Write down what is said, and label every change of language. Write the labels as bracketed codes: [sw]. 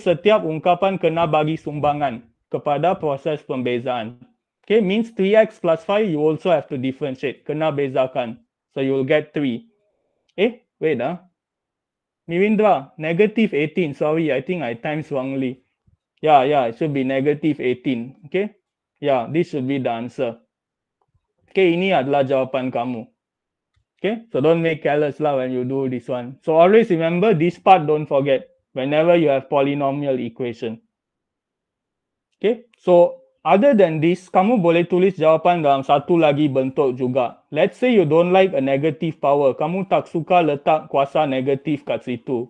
[ms] Setiap ungkapan kena bagi sumbangan kepada proses pembezaan. [en] Okay. Means 3x plus 5, you also have to differentiate. [ms] Kena bezakan. [en] So you will get 3. Mirindra, negative 18. Sorry, I think I times wrongly. Yeah, it should be negative 18. Okay? Yeah, this should be the answer. [ms] Okay, ini adalah jawapan kamu. [en] Okay? So don't make careless lah when you do this one. So always remember this part, don't forget. Whenever you have polynomial equation. Okay? So, other than this, [ms] kamu boleh tulis jawapan dalam satu lagi bentuk juga. [en] Let's say you don't like a negative power. [ms] Kamu tak suka letak kuasa negatif kat situ.